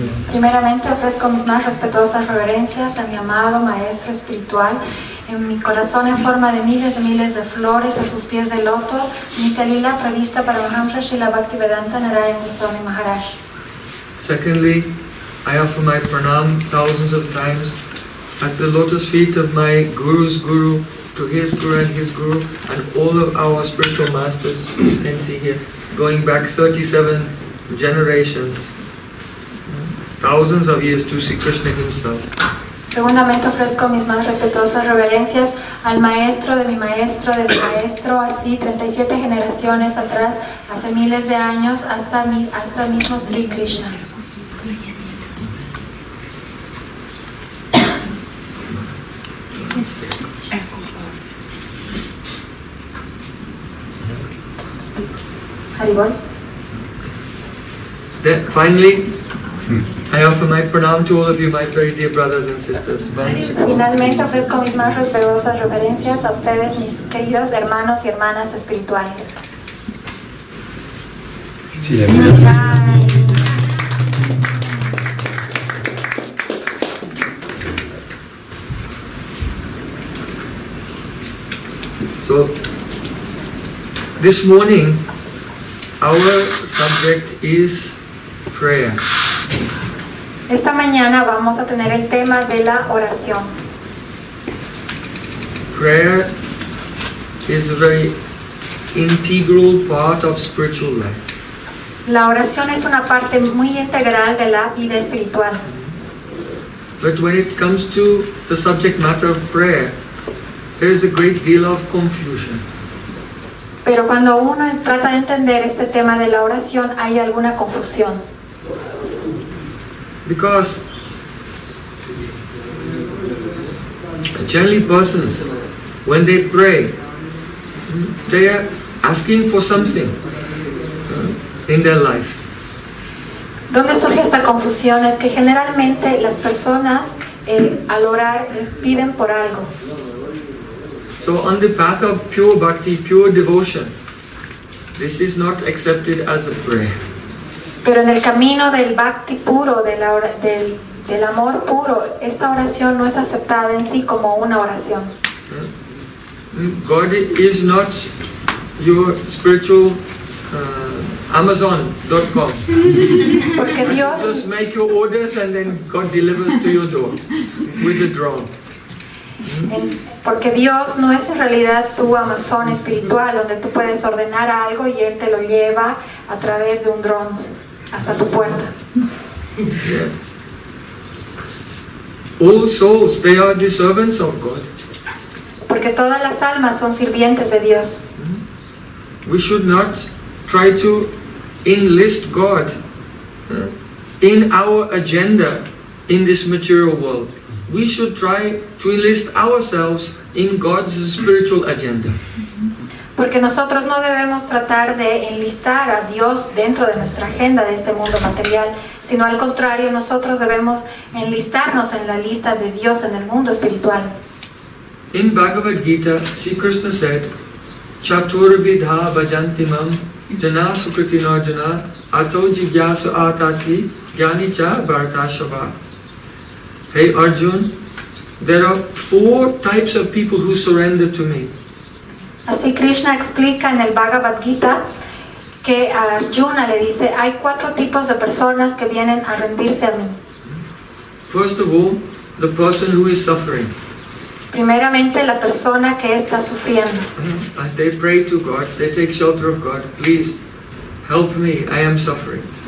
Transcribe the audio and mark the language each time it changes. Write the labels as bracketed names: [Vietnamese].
[Spanish] Primeramente ofrezco mis más respetuosas reverencias a mi amado maestro espiritual, en mi corazón en forma de miles de flores a sus pies de loto, Nityalila prevista para Mahamsa Srila Bhaktivedanta Narayan Goswami Maharaj. [English] Secondly, I offer my pranam thousands of times at the lotus feet of my guru's guru, to his guru and his guru, and all of our spiritual masters, as you can see here, going back 37 generations. Thousands of years to see Krishna himself. [Spanish] Segundamente ofrezco mis más respetuosas reverencias al maestro de mi maestro de mi maestro, así 37 generaciones atrás, hace miles de años, hasta mismo Sri Krishna. [English] Finally, I offer my pranam to all of you, my very dear brothers and sisters. [Spanish] Finalmente ofrezco mis más respetuosas reverencias a ustedes, mis queridos hermanos y hermanas espirituales. Sí, amén. [English] So, this morning, our subject is prayer. [Spanish] Esta mañana vamos a tener el tema de la oración. [English] Prayer is a very integral part of spiritual life. [Spanish] La oración es una parte muy integral de la vida espiritual. [English] But when it comes to the subject matter of prayer, there is a great deal of confusion. [Spanish] Pero cuando uno trata de entender este tema de la oración, hay alguna confusión. [English] Because generally persons, when they pray, they are asking for something in their life. [Spanish] ¿Dónde surge esta confusión? Es que generalmente las personas al orar piden por algo. [English] So on the path of pure bhakti, pure devotion, this is not accepted as a prayer. [Spanish] Pero en el camino del bhakti puro, del amor puro, esta oración no es aceptada en sí como una oración. [English] God is not your spiritual Amazon.com. [Spanish] Porque Dios... [English] Just make your orders and then God delivers to your door with a drone. [Spanish] Porque Dios no es en realidad tu Amazon espiritual donde tú puedes ordenar algo y Él te lo lleva a través de un dron hasta tu puerta. [English] All souls, they are the servants of God. [Spanish] Porque todas las almas son sirvientes de Dios. [English] We should not try to enlist God in our agenda in this material world. We should try to enlist ourselves in God's spiritual agenda. [Spanish] Porque nosotros no debemos tratar de enlistar a Dios dentro de nuestra agenda de este mundo material, sino al contrario, nosotros debemos enlistarnos en la lista de Dios en el mundo espiritual. [English] In Bhagavad Gita, Sri Krishna said, [Sanskrit] Chaturvidha bhajantimam jana sukritina jana ato jivyasa atati jnani cha bhartashava. [English] Hey Arjun, there are four types of people who surrender to me. [Spanish] Así Krishna explica en el Bhagavad Gita que a Arjuna le dice hay cuatro tipos de personas que vienen a rendirse a mí. [English] First of all, the person who is suffering. [Spanish] Primeramente la persona que está sufriendo. [English] And they pray to God, they take shelter of God, please help me, I am suffering.